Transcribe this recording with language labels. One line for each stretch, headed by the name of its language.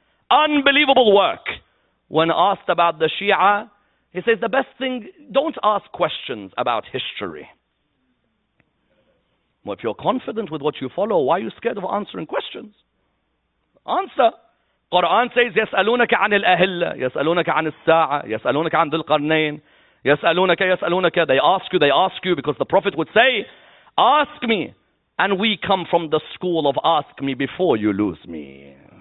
English: Unbelievable work. When asked about the Shia, he says the best thing, don't ask questions about history. Well, if you're confident with what you follow, why are you scared of answering questions? Answer. Quran says,
Arabic: يَسْأَلُونَكَ عَنِ الْأَهِلَّةِ يَسْأَلُونَكَ عَنِ السَّاعَةِ يَسْأَلُونَكَ عَنِ الْقَرْنَيْنِ يَسْأَلُونَكَ.
English: They ask you, because the Prophet would say, ask me, and we come from the school of ask me before you lose me.